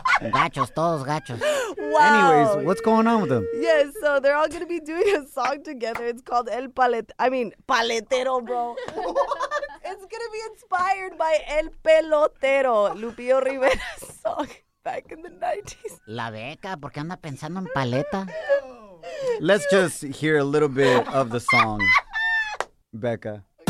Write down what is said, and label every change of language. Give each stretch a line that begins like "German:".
Spanish: Gachos, todos gachos.
English: Wow. Anyways, what's going on with them? Yes, so they're all going to be doing a song together. It's called El Paletero. I mean, Paletero, bro. It's going to be inspired by El Pelotero, Lupillo Rivera's song back in the 90s.
Spanish: La beca, ¿por qué anda pensando en paleta?
English: Let's just hear a little bit of the song, Becca.